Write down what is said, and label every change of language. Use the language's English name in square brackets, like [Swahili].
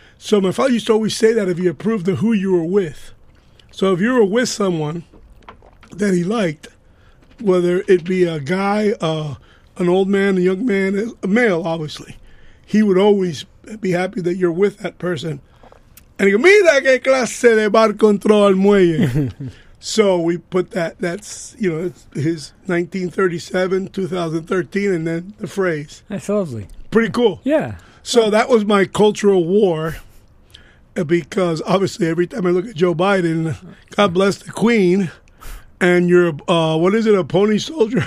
[English] So my father used to always say that if he approved of who you were with. So if you were with someone that he liked, whether it be a guy, an old man, a young man, a male, obviously, he would always be happy that you're with that person. And he goes, [Spanish] mira que clase de barco entró al muelle. [English] So we put that, that's, you know, it's his 1937, 2013, and then the phrase. That's lovely. Pretty cool. Yeah. So that was my cultural war. Because obviously, every time I look at Joe Biden, God bless the Queen, and you're what is it, a pony soldier?